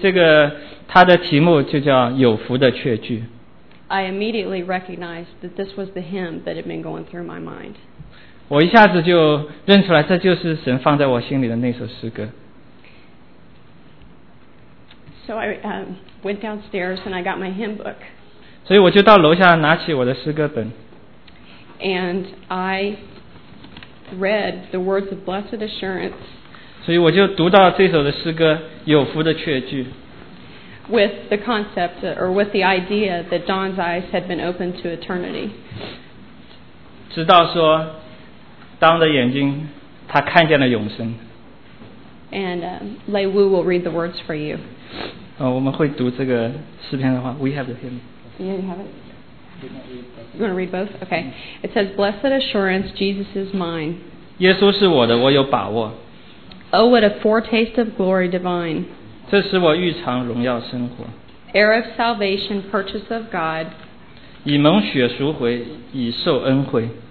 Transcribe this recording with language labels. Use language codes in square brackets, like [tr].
[zh] 这个他的题目就叫有福的确据。 [en] I immediately recognized that this was the hymn that had been going through my mind. [zh] 我一下子就认出来，这就是神放在我心里的那首诗歌。 [en] So I went downstairs and I got my hymn book. [zh] 所以我就到楼下拿起我的诗歌本。 [en] And I read the words of Blessed Assurance. [zh] 所以我就读到这首的诗歌，有福的确据。 [en] With the concept or with the idea that Don's eyes had been opened to eternity. [zh] 直到说 Don 的眼睛他看见了永生。 [en] And Lei Wu will read the words for you. [zh] 我们会读这个诗篇的话。 [en] We have the hymn. You have it? You want to read both? Okay. It says, Blessed assurance, Jesus is mine. [zh] 耶稣是我的，我有把握。 [en] Oh, what a foretaste of glory divine. [zh] 这使我预尝荣耀生活。 [en] Heir of salvation, purchase of God. [zh] 以蒙血赎回，以受恩惠。